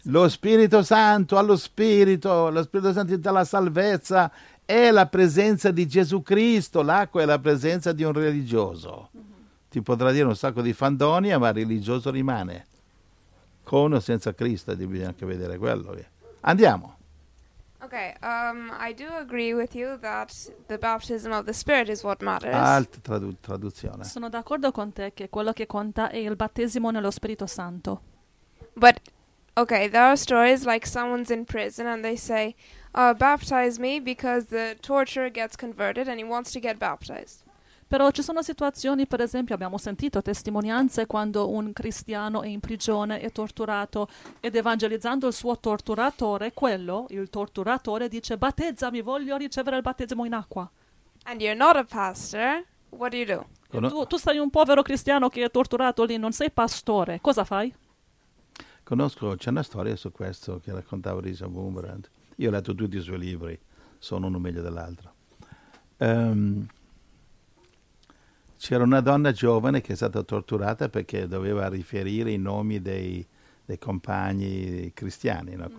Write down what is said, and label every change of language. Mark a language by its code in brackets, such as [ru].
[it] Lo Spirito Santo, lo Spirito Santo della salvezza è la presenza di Gesù Cristo, l'acqua è la presenza di un religioso. Mm-hmm. Ti potrà dire un sacco di fandonia, ma il religioso rimane. Con o senza Cristo, devi anche vedere quello. Andiamo. [en] Ok, I do agree with you that the baptism of the Spirit is what matters. [it] Altra traduzione. Sono d'accordo con te che quello che conta è il battesimo nello Spirito Santo. [en] But, ok, there are stories like someone's in prison and they say, baptize me because the torturer gets converted and he wants to get baptized. [it] Però ci sono situazioni, per esempio, abbiamo sentito testimonianze quando un cristiano è in prigione, è torturato ed evangelizzando il suo torturatore, quello, il torturatore, dice battezzami, voglio ricevere il battesimo in acqua. [en] And you're not a pastor, what do you do? [it] Tu sei un povero cristiano che è torturato lì, non sei pastore, cosa fai? Conosco, c'è una storia su questo che raccontava Risa Boombrand. Io ho letto tutti i suoi libri, sono uno meglio dell'altro. C'era una donna giovane che è stata torturata perché doveva riferire i nomi dei compagni cristiani, no?